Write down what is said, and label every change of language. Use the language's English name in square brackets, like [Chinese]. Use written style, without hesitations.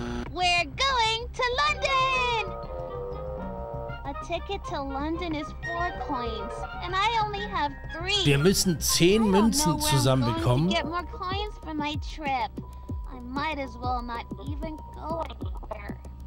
[English] We're going to London! A ticket to London is 4 coins, and I only have 3. [German] Wir müssen 10 Münzen zusammenbekommen. [English] Get more coins for my trip. I might as well not even go anywhere.